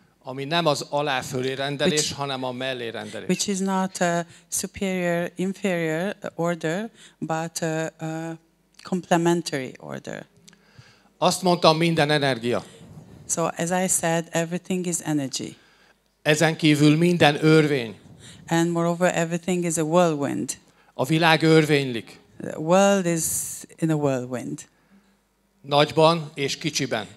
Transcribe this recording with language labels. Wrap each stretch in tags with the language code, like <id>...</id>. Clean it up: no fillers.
<hu>Ami nem az alá fölé rendelés, hanem a mellé rendelés.</hu> <en>Which is not a superior inferior order, but a complementary order.</en> <hu>Azt mondtam, minden energia.</hu> <en>So as I said, everything is energy.</en> <hu>Ezen kívül minden örvény.</hu> <en>And moreover, everything is a whirlwind.</en> <hu>A világ örvénylik.</hu> <en>The world is in a whirlwind.</en> <hu>Nagyban és kicsiben.</hu>